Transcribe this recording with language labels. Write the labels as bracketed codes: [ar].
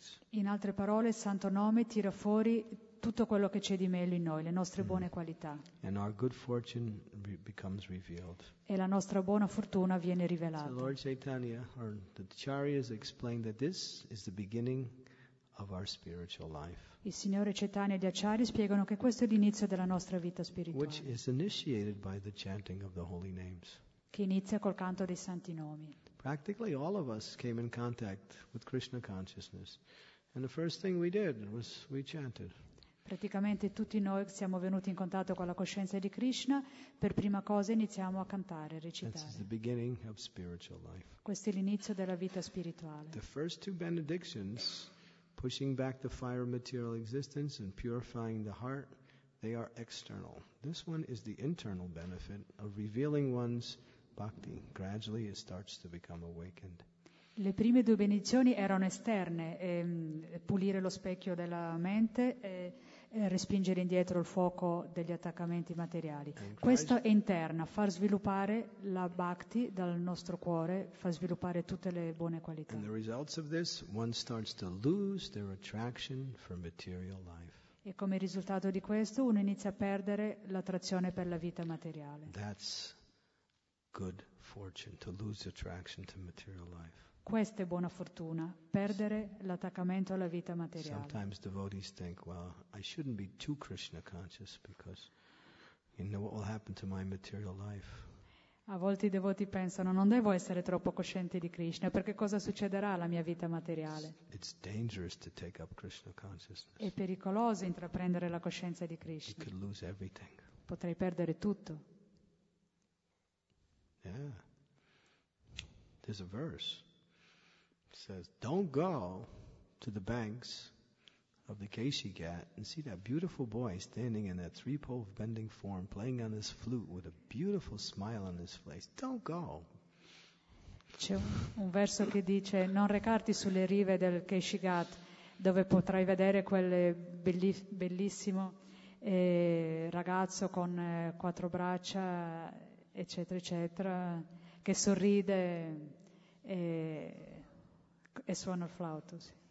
[it] In altre parole, il Santo Nome tira fuori tutto quello che c'è di meglio in noi, le nostre buone qualità. [en] And our good fortune becomes revealed. [it] E la nostra buona fortuna viene rivelata. [en] So Lord Chaitanya, or the Acharyas, explained that this is the beginning of our spiritual life. [it] Il Signore Chaitanya e gli Acharya spiegano che questo è l'inizio della nostra vita spirituale. [en] Which is initiated by the chanting of the holy names. [it] Che inizia col canto dei santi nomi. [en] Practically all of us came in contact with Krishna consciousness, and the first thing we did was we chanted. [it] Praticamente tutti noi siamo venuti in contatto con la coscienza di Krishna, per prima cosa iniziamo a cantare, a recitare. [en] That's the beginning of spiritual life. [it] Questo è l'inizio della vita spirituale. [en] The first two benedictions, pushing back the fire of material existence and purifying the heart, they are external. This one is the internal benefit of revealing one's bhakti. Gradually it starts to become awakened. [it] Le prime due benedizioni erano esterne, pulire lo specchio della mente e respingere indietro il fuoco degli attaccamenti materiali. Questo è interna, far sviluppare la bhakti dal nostro cuore, far sviluppare tutte le buone qualità. [en] And the results of this, one starts to lose their attraction for material life. [it] E come risultato di questo, uno inizia a perdere l'attrazione per la vita materiale. [en] That's good fortune, to lose attraction to material life. [it] Questa è buona fortuna, perdere l'attaccamento alla vita materiale. [en] Sometimes devotees think, well, I shouldn't be too Krishna conscious because you know what will happen to my material life. [it] A volte i devoti pensano, non devo essere troppo cosciente di Krishna, perché cosa succederà alla mia vita materiale? [en] It's dangerous to take up Krishna consciousness. [it] È pericoloso intraprendere la coscienza di Krishna. [en] You could lose everything. [it] Potrei perdere tutto. [en] Yeah. There's a verse. It says, don't go to the banks of the Keshi Ghat and see that beautiful boy standing in that three-pole bending form playing on his flute with a beautiful smile on his face. Don't go. [it] C'è un verso che dice, non recarti sulle rive del Keshi Ghat dove potrai vedere quel bellissimo ragazzo con quattro braccia, eccetera, eccetera, che sorride e suona il flauto, sì.